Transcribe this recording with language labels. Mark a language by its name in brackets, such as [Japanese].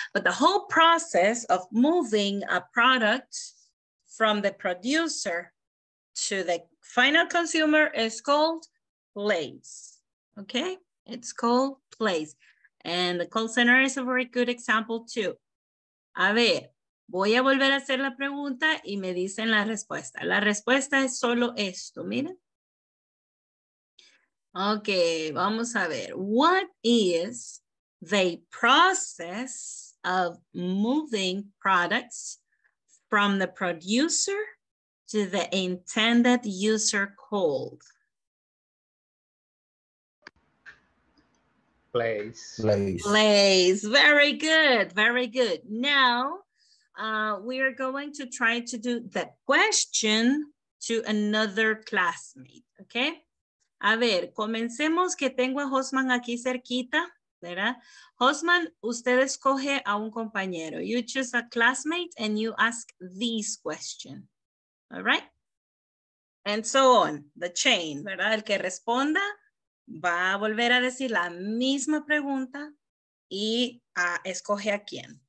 [English] But the whole process of moving a product from the producer to the final consumer is called place, okay? It's called place. And the call center is a very good example too. [Spanish] A ver, voy a volver a hacer la pregunta y me dicen la respuesta. La respuesta es solo esto, miren. Okay, vamos a ver. [English] What is the process of moving products from the producer to the intended user called? Place. Very good. Now, we are going to try to do the question to another classmate, okay? [Spanish] A ver, comencemos que tengo a Hosman aquí cerquita, ¿verdad? Hosman, usted escoge a un compañero. [English] You choose a classmate and you ask this question, all right? And so on, the chain, ¿verdad? [Spanish] El que responda va a volver a decir la misma pregunta y a escoge a quién.